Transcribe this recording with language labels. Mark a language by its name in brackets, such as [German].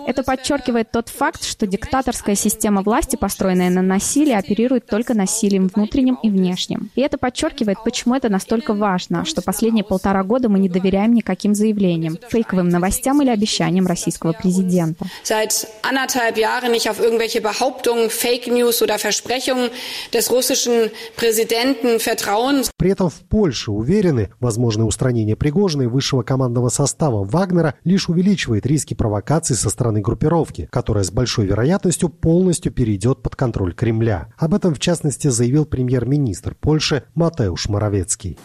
[Russian] Это подчеркивает тот факт, что диктаторская система власти, построенная на насилии, оперирует только насилием внутренним и внешним. И это подчеркивает, почему это настолько важно, что последние полтора года мы не доверяем никаким заявлениям, фейковым новостям или обещаниям российского президента. [German] Seit anderthalb Jahren nicht auf irgendwelche Behauptungen, Fake News oder Versprechungen des russischen Präsidenten vertrauen. [Russian] При этом в Польше уверены, возможное устранение Пригожина и высшего командного состава Вагнера лишь увеличивает риски провокаций со стороны группировки, которая с большой вероятностью полностью перейдет под контроль Кремля. Об этом, в частности, заявил премьер-министр Польши Матеуш Моравецкий.